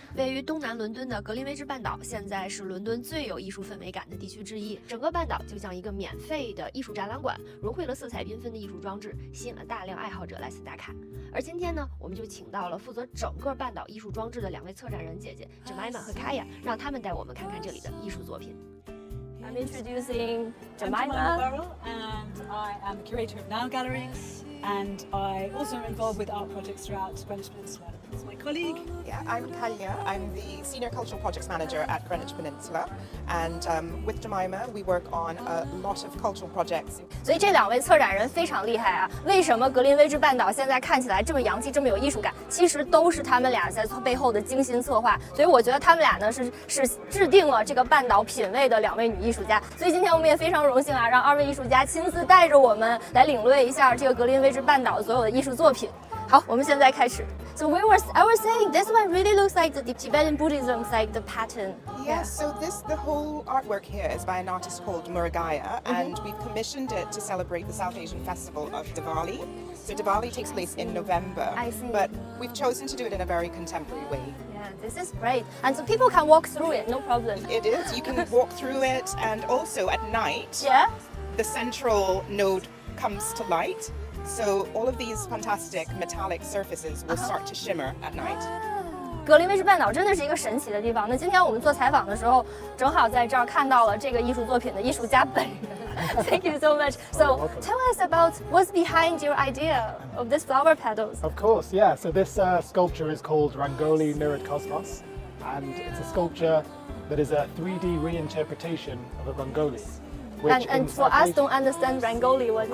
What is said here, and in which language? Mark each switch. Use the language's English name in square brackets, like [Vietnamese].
[Chinese] 位于东南伦敦的格林威治半岛现在是伦敦最有艺术氛围感的地区之一，整个半岛就像一个免费的艺术展览馆，融汇了色彩缤纷的艺术装置，吸引了大量爱好者来此打卡。而今天呢，我们就请到了负责整个半岛艺术装置的两位策展人姐姐 Jemima 和 Kaia， 让他们带我们看看这里的艺术作品。 [English] I'm introducing Jemima. And I am the curator of Nile Gallery, and I also am involved with art projects throughout Greenwich Peninsula. That's my colleague. Yeah, I'm Kaia. I'm the senior cultural projects manager at Greenwich Peninsula, and with Jemima, we work on a lot of cultural projects. [Chinese] 所以这两位策展人非常厉害啊！为什么格林威治半岛现在看起来这么洋气、这么有艺术感？其实都是他们俩在背后的精心策划。所以我觉得他们俩呢是制定了这个半岛品味的两位女艺术家。所以今天我们也非常荣幸啊，让二位艺术家亲自带着我们来领略一下这个格林威治半岛所有的艺术作品。好，我们现在开始。 [English] So I was saying this one really looks like the Tibetan Buddhism, like the pattern. Yes, so the whole artwork here is by an artist called Murugaya, and we've commissioned it to celebrate the South Asian Festival of Diwali. So Diwali takes place in November. I see. But we've chosen to do it in a very contemporary way. Yeah, this is great. And so people can walk through it, no problem. It is. You can walk through it, and also at night, the central node comes to light. So all of these fantastic metallic surfaces will start to shimmer at night. [Chinese] 格林威治半岛真的是一个神奇的地方。那今天我们做采访的时候，正好在这儿看到了这个艺术作品的艺术家本人。 [English] Thank you so much. So tell us about what's behind your idea of these flower petals. Of course, yeah. So this sculpture is called Rangoli Mirrored Cosmos, and it's a sculpture that is a 3D reinterpretation of a rangoli. And for us, don't understand Rangoli, what is it?